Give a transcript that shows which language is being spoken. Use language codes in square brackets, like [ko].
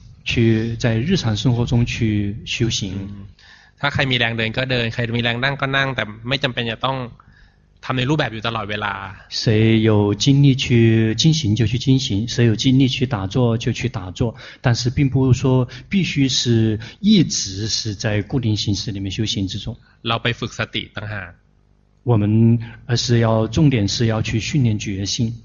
[zh] 去在日常生活中去修行 [th] ถ้าใครมีแรงเดินก็เดินใครมีแรงนั่งก็นั่งแต่ไม่จำเป็นจะต้องทำในรูปแบบอยู่ตลอดเวลา [zh] 谁有精力去进行就去进行谁有精力去打坐就去打坐但是并不是说必须是一直是在固定形式里面修行之中 [th] เราไปฝึกสติต่างหาก [zh] 我们而是要重点是要去训练决心